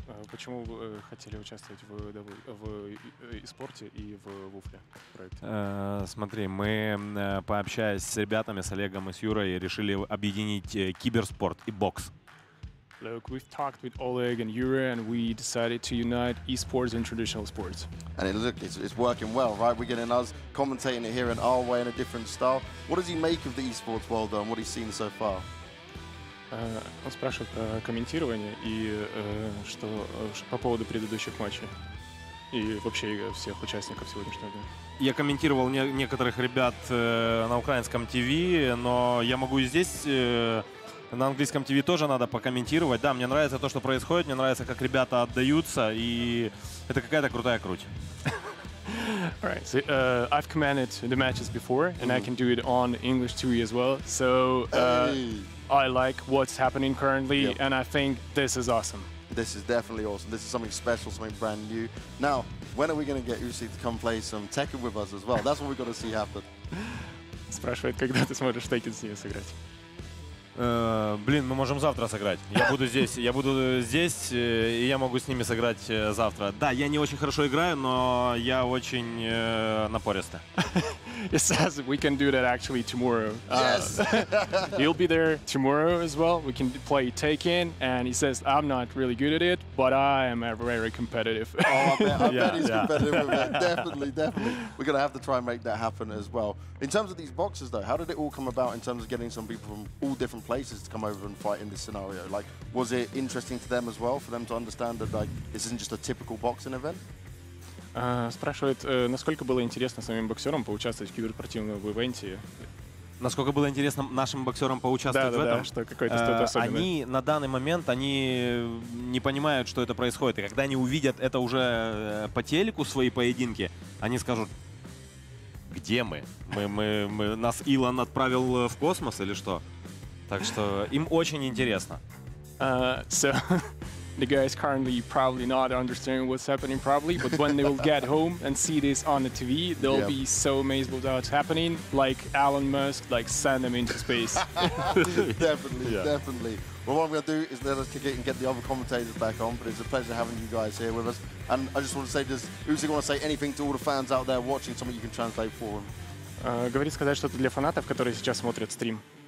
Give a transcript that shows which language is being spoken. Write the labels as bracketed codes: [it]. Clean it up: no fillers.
[ru] Почему вы хотели участвовать в e-спорте и в Вуфле проекте? Смотри, мы, пообщаясь с ребятами, с Олегом и с Юрой, решили объединить киберспорт и бокс. [en] Look, we've talked with Oleg and Yura, and we decided to unite esports and traditional sports. And it's working well, right? We're getting us commentating it here in our way in a different style. What does he make of the esports world, though, and what he's seen so far? [ru] Он спрашивает про комментирование и что по поводу предыдущих матчей и вообще всех участников сегодняшнего дня. Я комментировал некоторых ребят на украинском ТВ, но я могу и здесь на английском ТВ тоже надо покомментировать. Да, мне нравится то, что происходит, мне нравится, как ребята отдаются, и это какая-то крутая круть. [en] Alright, so I've commented the matches before, and I can do it on English TV as well. So I like what's happening currently, and I think this is awesome. This is definitely awesome. This is something special, something brand new. Now, when are we going to get Usyk to come play some Tekken with us as well? That's what we're going to see happen. [ru] Спрашивает, когда ты сможешь Tekken с ним сыграть? Блин, мы можем завтра сыграть. Я буду здесь, и я могу с ними сыграть завтра. Да, я не очень хорошо играю, но я очень напористый. [en] It says we can do that actually tomorrow. Yes. He'll be there tomorrow as well. We can play Tekken, and he says I'm not really good at it, but I am very competitive. Oh, I bet he's competitive with that. Definitely. We're gonna have to try and make that happen as well. In terms of these boxes, though, how did it all come about in terms of getting some people from all different places to come over and fight in this scenario? Like, was it interesting to them as well, for them to understand that, like, this isn't just a typical boxing event? [ru] Спрашивает, насколько было интересно самим боксерам поучаствовать в киберспортивном ивенте? Насколько было интересно нашим боксерам поучаствовать в этом? Да, что какой-то особенный. Они на данный момент, они не понимают, что это происходит. И когда они увидят это уже по телеку, свои поединки, они скажут, где мы? Нас Илон отправил в космос или что? Так что им очень интересно. [en] The guys currently probably not understanding what's happening probably, but when they will get home and see this on the TV, they'll be so amazed with what's happening. Like Elon Musk, like send them into space. definitely. Well, what I'm going to do is let us kick it and get the other commentators back on, but it's a pleasure having you guys here with us. And I just want to say, does Usyk want to say anything to all the fans out there watching, something you can translate for them? [ru] Говорит сказать что-то для фанатов, которые сейчас смотрят стрим.